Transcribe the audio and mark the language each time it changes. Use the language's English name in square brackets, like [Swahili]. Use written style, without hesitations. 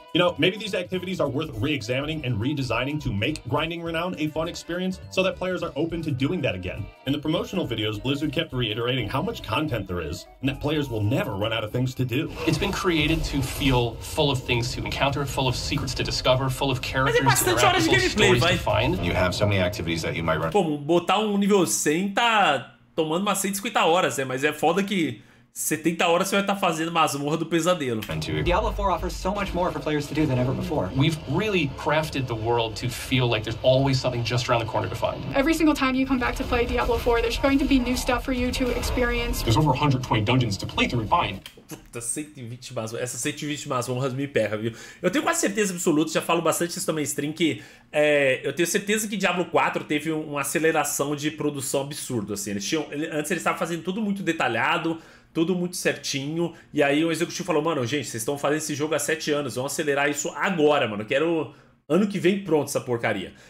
[English] You know, maybe these activities are worth re-examining and redesigning to make grinding renown a fun experience so that players are open to doing that again. In the promotional videos, Blizzard kept reiterating how much content there is and that players will never run out of things to do. It's been created to feel full of things to encounter, full of secrets to discover, full of characters to interact, full of stories to find. You have so many activities that you might run. [Portuguese] Pô, botar um nível 100 tá tomando umas 150 horas, né? Mas é foda que 70 horas você vai estar fazendo masmorra do pesadelo. [English] Diablo 4 offers so much more for players to do than ever before. We've really crafted the world to feel like there's always something just around the corner to find. Every single time you come back to play Diablo 4, there's going to be new stuff for you to experience. There's over 120 dungeons to play through and find. [Portuguese] Puta, 120 masmorras. Essas 120 masmorras me perra, viu? Eu tenho quase certeza absoluta, já falo bastante isso também em stream, que eu tenho certeza que Diablo 4 teve uma aceleração de produção absurda, assim. Antes eles estavam fazendo tudo muito detalhado, tudo muito certinho, e aí o executivo falou, mano, gente, vocês estão fazendo esse jogo há 7 anos, vão acelerar isso agora, mano, quero ano que vem pronto essa porcaria.